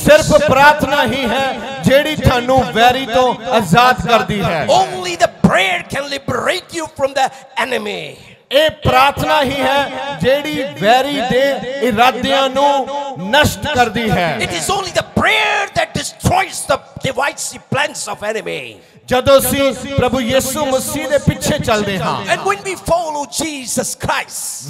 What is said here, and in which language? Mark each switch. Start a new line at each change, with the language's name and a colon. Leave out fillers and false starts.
Punjabi: ਸਿਰਫ ਪ੍ਰਾਰਥਨਾ ਹੀ ਹੈ ਜਿਹੜੀ ਤੁਹਾਨੂੰ ਵੈਰੀ ਤੋਂ ਆਜ਼ਾਦ ਕਰਦੀ ਹੈ
English: Only the prayer can liberate you from the enemy
Punjabi: ਇਹ ਪ੍ਰਾਰਥਨਾ ਹੀ ਹੈ ਜਿਹੜੀ ਵੈਰੀ ਦੇ ਇਰਾਦਿਆਂ ਨੂੰ ਨਸ਼ਟ ਕਰਦੀ ਹੈ
English: it is only the prayer that destroys the divisive plans of enemy
Punjabi: ਜਦੋਂ ਅਸੀਂ ਪ੍ਰਭੂ ਯਿਸੂ ਮਸੀਹ ਦੇ ਪਿੱਛੇ ਚੱਲਦੇ ਹਾਂ
English: and when we follow Jesus Christ